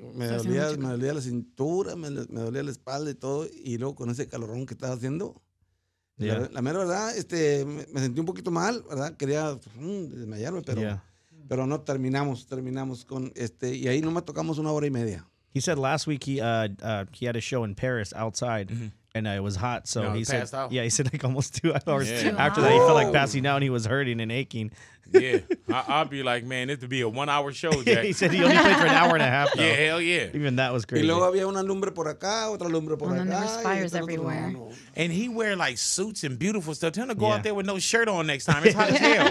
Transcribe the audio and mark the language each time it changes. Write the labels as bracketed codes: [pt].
[es] Me dolía la cintura, me dolía la espalda y todo. Y luego con ese calorón que estaba haciendo, la mera verdad, me sentí un poquito mal, ¿verdad? Quería desmayarme, pero, pero no, terminamos con y ahí nomás tocamos 1 hora y media. [en] He said last week he had a show in Paris outside, mm-hmm. and it was hot. So no, he said, yeah, he said like almost 2 hours after that, he felt like passing out and he was hurting and aching. Yeah, I'd be like, man, it'd be a 1 hour show, Jack. He said he only played for an hour and a half, though. Yeah, hell yeah. Even that was crazy. [es] Y luego había una lumbre por acá, otra lumbre por acá. [en] And there were spires everywhere. And he wear like suits and beautiful stuff. Tell him to go out there with no shirt on next time. It's hot as hell.